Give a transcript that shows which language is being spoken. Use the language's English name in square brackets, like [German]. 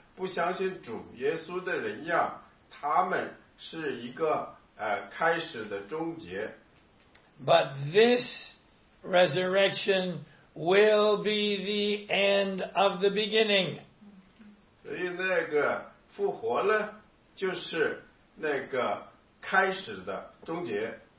[Chinese] 不相信主耶稣的人一样，他们是一个开始的终结。 [English] But this resurrection will be the end of the beginning. [Chinese] 所以那个复活呢，就是那个开始的终结。